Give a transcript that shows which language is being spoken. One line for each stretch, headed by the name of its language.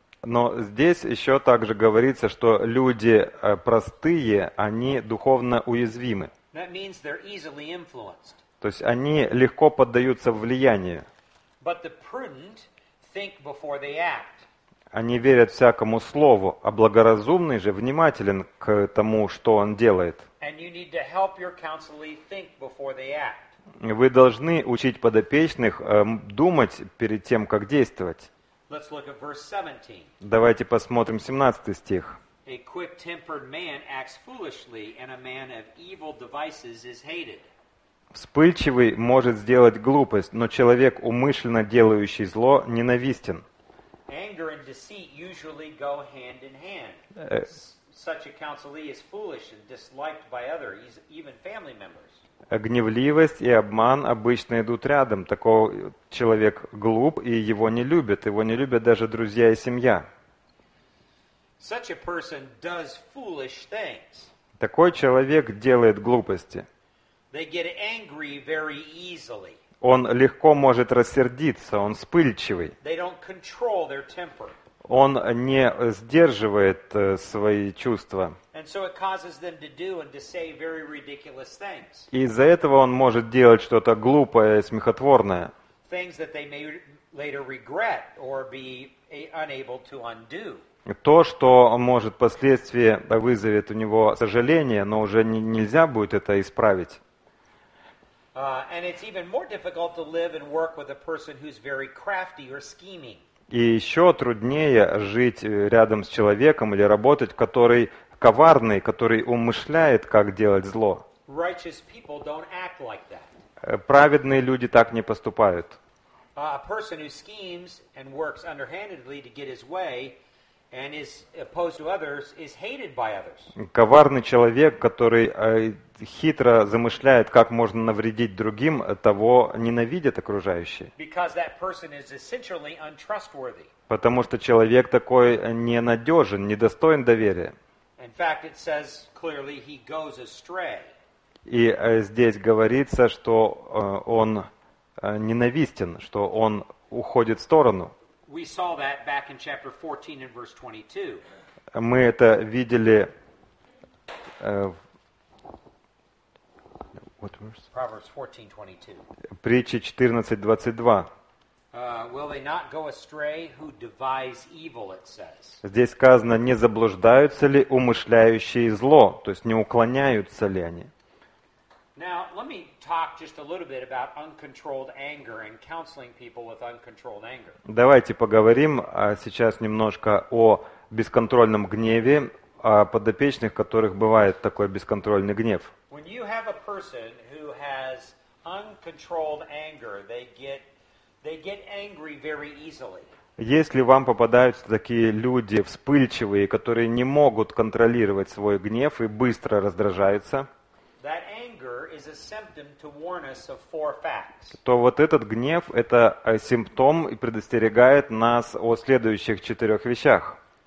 Russian: Но здесь еще также говорится, что люди простые, они духовно уязвимы.
English: That means they're easily influenced.
Russian: То есть они легко поддаются влиянию.
English: But the prudent think before they act.
Russian: Они верят всякому слову, а благоразумный же внимателен к тому, что он делает.
English: And you need to help your counselee think before they act.
Russian: Вы должны учить подопечных думать перед тем, как действовать.
English: Let's look at verse 17.
Russian: Давайте посмотрим 17 стих.
English: A quick-tempered man acts foolishly, and a man of evil devices is hated.
Russian: Вспыльчивый может сделать глупость, но человек, умышленно делающий зло, ненавистен.
English: Anger and deceit usually go hand in hand. Such a counselee is foolish and disliked by others, even family members.
Russian: Гневливость и обман обычно идут рядом. Такой человек глуп, и его не любят. Его не любят даже друзья и семья.
English: Such a person does foolish things.
Russian: Такой человек делает глупости.
English: They get angry very easily.
Russian: Он легко может рассердиться, он вспыльчивый.
English: They don't control their temper.
Russian: Он не сдерживает свои чувства.
English: And so it causes them to do and to say very ridiculous things.
Russian: Из-за этого он может делать что-то глупое, смехотворное.
English: Things that they may later regret or be unable to undo.
Russian: То, что может впоследствии вызовет у него сожаление, но уже нельзя будет это исправить.
English: And it's even more difficult to live and work with a person who's very crafty or scheming.
Russian: И еще труднее жить рядом с человеком или работать, который коварный, который умышляет, как делать зло.
English: Righteous people don't act like that.
Russian: Праведные люди так не поступают.
English: A person who schemes and works underhandedly to get his way and is opposed to others is hated by others.
Russian: Коварный человек, который хитро замышляет, как можно навредить другим, того ненавидят окружающие.
English: Because that person is essentially untrustworthy.
Russian: Потому что человек такой ненадежен, недостоин доверия.
English: In fact, it says clearly he goes astray.
Russian: И здесь говорится, что он ненавистен, что он уходит в сторону.
English: We saw that back in chapter 14 and verse 22.
Russian: Мы это видели
English: Proverbs 14:22.
Russian: Притчи 14:22.
English: Will they not go astray who devise evil, it says.
Russian: Здесь сказано, не заблуждаются ли умышляющие зло, то есть не уклоняются ли они.
English: Now, let me talk just a little bit about uncontrolled anger and counseling people with uncontrolled anger.
Russian: Давайте поговорим сейчас немножко о бесконтрольном гневе, а подопечных, которых бывает такой бесконтрольный гнев.
English: When you have a person who has uncontrolled anger, they get angry very easily.
Russian: Если вам попадаются такие люди вспыльчивые, которые не могут контролировать свой гнев и быстро раздражаются,
English: that anger is a symptom to warn us of four facts.
Russian: То вот этот гнев – это симптом и предостерегает нас о следующих четырех вещах.